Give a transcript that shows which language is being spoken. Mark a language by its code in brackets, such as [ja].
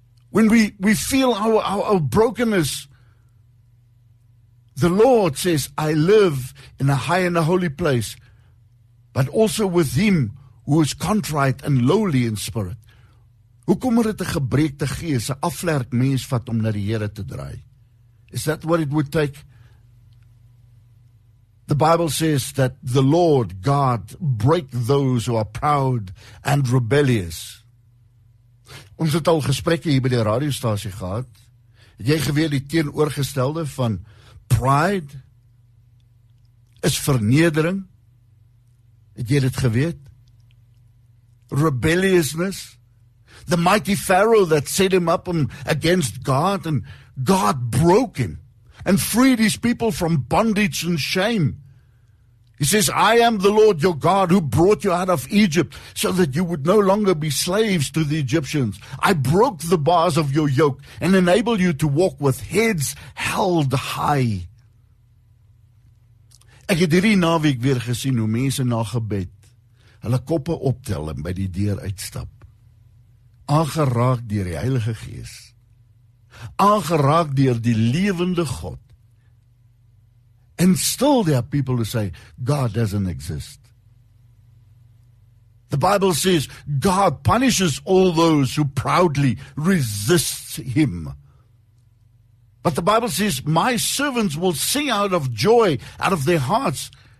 [en] When we feel our brokenness, the Lord says, I live in a high and a holy place, but also with him who is contrite and lowly in spirit. [af] Hoekom het 'n gebrekte gees, 'n aflerk mens vat om na die Here te draai? [en] Is that what it would take? The Bible says that the Lord God break those who are proud and rebellious. [af] Ons het al gesprekke hier by die radiostasie gehad. Het jy geweet die teenoorgestelde van pride is vernedering. Het jy dit geweet? [en] Rebelliousness. The mighty Pharaoh that set him up against God, and God broke him and freed his people from bondage and shame. He says, I am the Lord your God who brought you out of Egypt so that you would no longer be slaves to the Egyptians. I broke the bars of your yoke and enabled you to walk with heads held high. [af] Ek het hierdie naweek weer gesien hoe mense na gebed hulle koppe optel en by die deur uitstap. Aangeraak deur die Heilige Gees. Aangeraak deur die lewende God. [en] And still there are people who say, God doesn't exist. The Bible says God punishes all those who proudly resist him. But the Bible says, my servants will sing out of joy, out of their hearts.